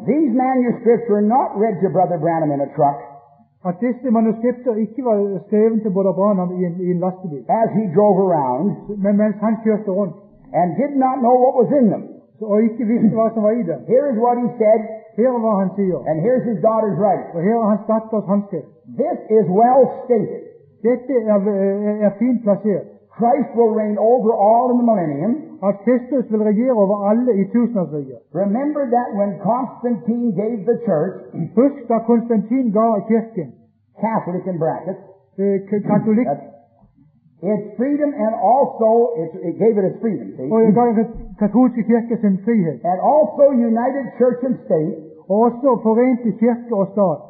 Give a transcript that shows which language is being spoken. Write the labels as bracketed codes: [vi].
[en] These manuscripts were not read to Brother Branham in a truck. [sv] Att dessa manuskript inte var skrivna till Brother Branham i en lastbil. [en] As he drove around, [sv] men han körde runt, [en] and did not know what was in them. [sv] Så inte visste vad som var i dem. [en] Here is what he said. [sv] Här var han säger. [en] And here's his daughter's writing. [sv] Och här är hans dotters handskrift. [en] This is well stated. [sv] Detta är fint placerat. [en] Christ will reign over all in the millennium. [sv] Att Kristus vill regera över alla i tusenårsriket. [en] Remember that when Constantine gave the church, [sv] husk att Konstantin gav kyrkan, [en] Catholic in brackets, [sv] katolik, [en] its freedom and also it gave it its freedom. [sv] Och gav den katolska kyrkan sin frihet. [en] And also united church and state. [sv] Också förenade kyrka och stat.